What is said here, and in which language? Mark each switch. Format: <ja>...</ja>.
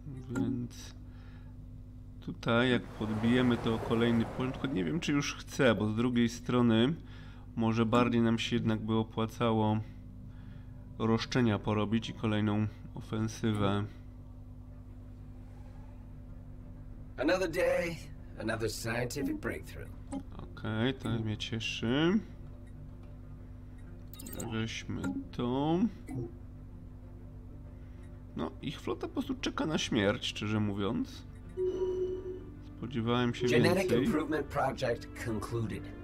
<pl>Więc tutaj jak podbijemy to kolejny poziom, tylko nie wiem czy już chcę, bo z drugiej strony może bardziej nam się jednak by opłacało roszczenia porobić i kolejną ofensywę.</pl> <en>Another day, another scientific breakthrough.</en> <pl>Okej, to mnie cieszy. Weźmy to. No, ich flota po prostu czeka na śmierć, szczerze mówiąc. Spodziewałem się więcej.</pl> <en>Genetic improvement project concluded.</en>